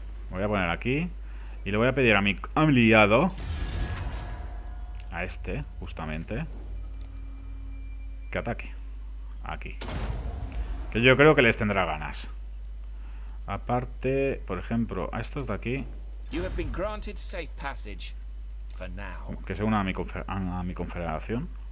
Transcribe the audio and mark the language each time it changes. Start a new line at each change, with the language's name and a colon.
Spanish: Me voy a poner aquí y le voy a pedir a mi aliado, a este, justamente, que ataque aquí. Que yo creo que les tendrá ganas. Aparte, por ejemplo, a estos de aquí.
English: You have been granted safe passage for now.
Spanish: Que se una a mi confederación.